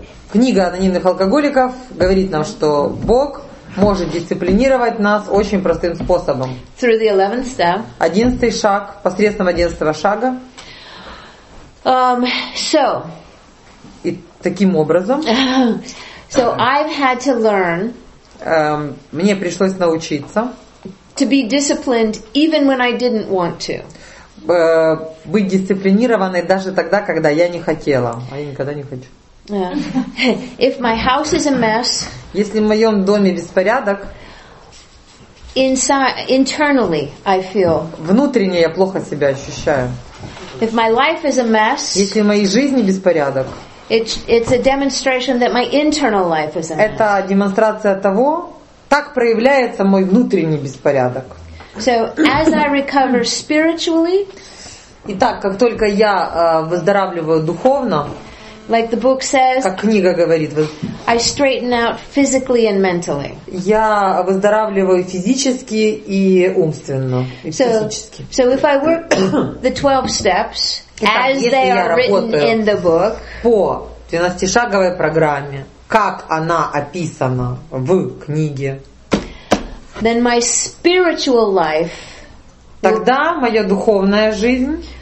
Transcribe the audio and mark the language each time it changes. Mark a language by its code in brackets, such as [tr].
[ru] Книга анонимных алкоголиков говорит нам, что Бог может дисциплинировать нас очень простым способом. [en] Through the 11th step. [ru] 11 шаг, посредством 11 шага. [en] So. [ru] И таким образом. [en] So I've had to learn. [ru] Мне пришлось научиться. [en] To be disciplined even when I didn't want to. [ru] Быть дисциплинированной даже тогда, когда я не хотела. А я никогда не хочу. [en] Yeah. If my house is a mess, [ru] если в моем доме беспорядок, [en] internally I feel. [ru] Внутренне я плохо себя ощущаю. [en] If my life is a mess, [ru] если в моей жизни беспорядок, [en] it's a demonstration that my internal life is a mess. [ru] Это демонстрация того, так проявляется мой внутренний беспорядок. [en] So as I recover spiritually, [ru] итак, как только я выздоравливаю духовно. [en] Like the book says, [ru] как книга говорит, [en] I straighten out physically and mentally. [ru] Я выздоравливаю физически и умственно, и психически. [en] So if I work the 12 steps as they are written in the book, [ru] по 12-шаговой программе, как она описана в книге, [en] then my spiritual life, [ru] тогда моя духовная жизнь